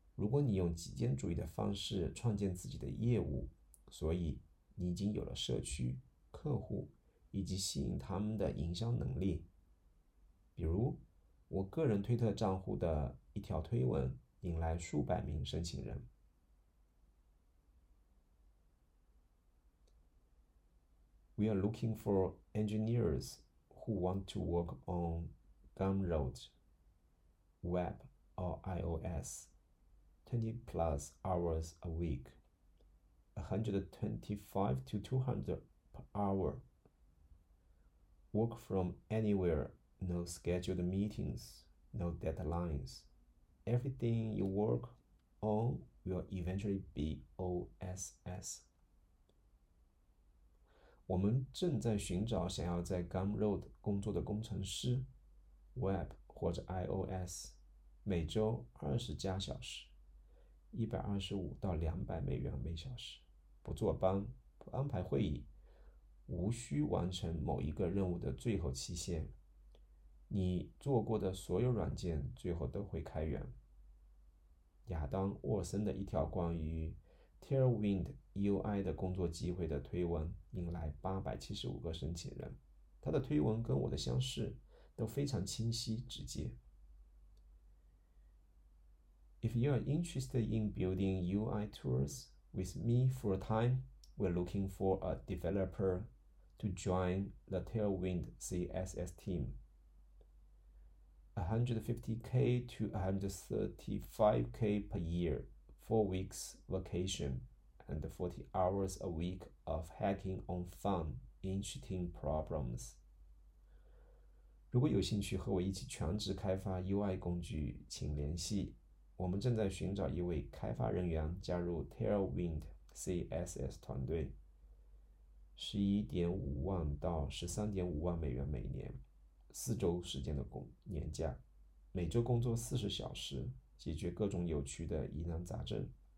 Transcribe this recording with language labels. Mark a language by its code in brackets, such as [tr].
[zh] 如果你用极简主义的方式创建自己的业务，所以你已经有了社区、客户以及吸引他们的营销能力。比如，我个人推特账户的一条推文，引来数百名申请人。 [en] We are looking for engineers who want to work on Gumroad, web or iOS. 20 plus hours a week, 125 to 200 per hour. Work from anywhere, no scheduled meetings, no deadlines. Everything you work on will eventually be OSS. [zh] 我们正在寻找想要在 Gumroad 工作的工程师，Web 或者 iOS，每周20加小时。 125到200美元每小时，不坐班，不安排会议，无需完成某一个任务的最后期限，你做过的所有软件最后都会开源。亚当·沃森的一条关于 Tailwind UI 的工作机会的推文引来875个申请人，他的推文跟我的相似，都非常清晰直接。 [en] If you are interested in building UI tools with me full time, we're looking for a developer to join the Tailwind CSS team. 150K to 135K per year, 4 weeks vacation, and 40 hours a week of hacking on fun, interesting problems. [zh] 如果有兴趣和我一起全职开发 UI 工具，请联系。我们正在寻找一位开发人员加入 Tailwind CSS 团队，11.5万到13.5万美元每年，4周时间的年假，每周工作40小时，解决各种有趣的疑难杂症。